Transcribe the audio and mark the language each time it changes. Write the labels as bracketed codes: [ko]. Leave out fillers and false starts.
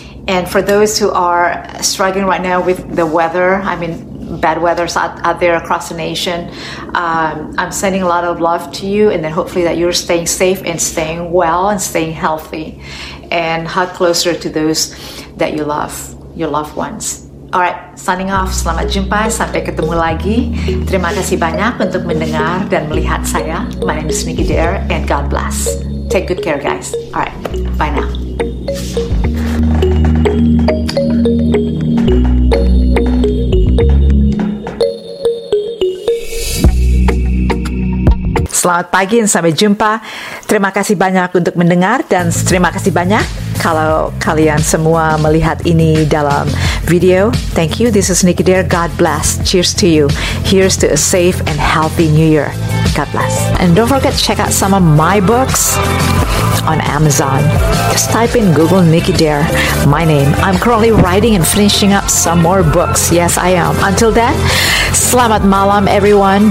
[en] And for those who are struggling right now with the weather, I mean, bad weather out there across the nation, I'm sending a lot of love to you, and then hopefully that you're staying safe and staying well and staying healthy and hug closer to those that you love, your loved ones. All right, signing off. [id] Selamat jumpa. Sampai ketemu lagi. Terima kasih banyak untuk mendengar dan melihat saya. [en] My name is Nicky Dare, and God bless. Take good care, guys. All right, bye now. [id] Selamat pagi dan sampai jumpa. Terima kasih banyak untuk mendengar, dan terima kasih banyak kalau kalian semua melihat ini dalam video. [en] Thank you. This is Nicky Dare. God bless. Cheers to you. Here's to a safe and healthy new year. God bless. And don't forget to check out some of my books on Amazon. Just type in Google Nicky Dare, my name. I'm currently writing and finishing up some more books. Yes, I am. Until then, [id] selamat malam, [en] everyone.